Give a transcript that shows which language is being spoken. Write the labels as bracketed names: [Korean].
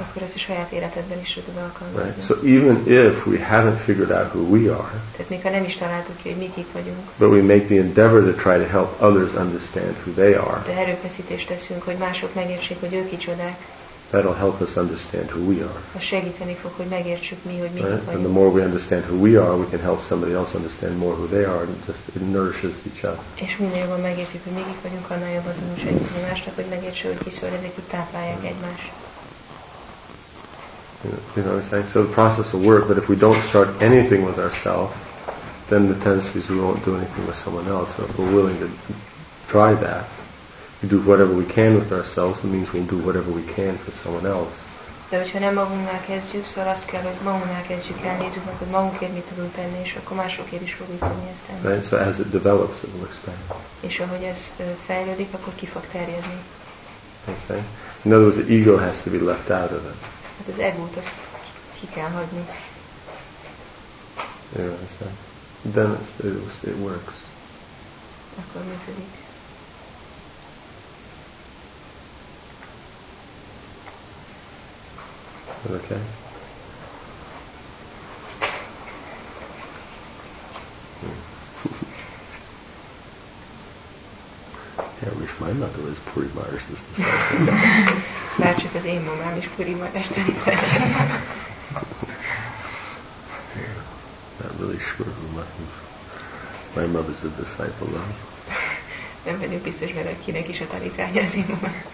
[Hungarian] Akkor ezt a saját életedben is tudod alkalmazni. [English] Right. So even if we haven't figured out who we are, [Hungarian] tehát még ha nem is találtuk ki, hogy mi kik vagyunk, [English] but we make the endeavor to try to help others understand who they are. [Hungarian] De erőfeszítést teszünk, hogy mások megértsék, hogy ők kicsodák. [English] That'll help us understand who we are. [Hungarian] Az segíteni fog, hogy megértsük mi, hogy mi [English] right? [Hungarian] vagyunk. [English] And the more we understand who we are, we can help somebody else understand more who they are, and just it nourishes each other. [Hungarian] És minél jobban megértjük, hogy mi kik vagyunk, annál jobban tudunk segíteni másnak, hogy megértsük, hogy kiszor, ezek itt táplálják egymást. [English] You know what I'm saying? So the process will work, but if we don't start anything with ourselves, then the tendency is we won't do anything with someone else. So if we're willing to try that, we do whatever we can with ourselves, it means we'll do whatever we can for someone else. [Hungarian] De hogyha nem magunknál kezdjük, szóval azt kell, hogy magunknál kezdjük el, nézzük meg, hogy magunkért mit tudunk tenni, és akkor másokért is fogjuk tenni ezt tenni. [English] Right, so as it develops, it will expand. [Hungarian] És ahogy ez fejlődik, akkor ki fog terjedni. [English] Okay. In other words, the ego has to be left out of it. [Hungarian] Hát az egót, azt ki kell hagyni. [English] Yeah, so then it works. [Hungarian] Akkor mi pedig? [English] Okay. Yeah, I wish my mother was Puri Maharaj's disciple. [Hungarian] Már csak az én mamám is Puri Maharaj's [English] disciple. Not really sure who my mother's a disciple of. [Hungarian] Nem vagyok biztos, mert kinek is a tanítványa az én mamám.